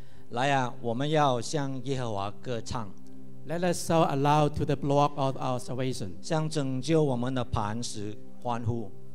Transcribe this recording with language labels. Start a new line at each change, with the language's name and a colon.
Chinese: 来啊，我们要向耶和华歌唱。
English: Let us shout aloud to the rock of our salvation.
Chinese: 向拯救我们的磐石欢呼。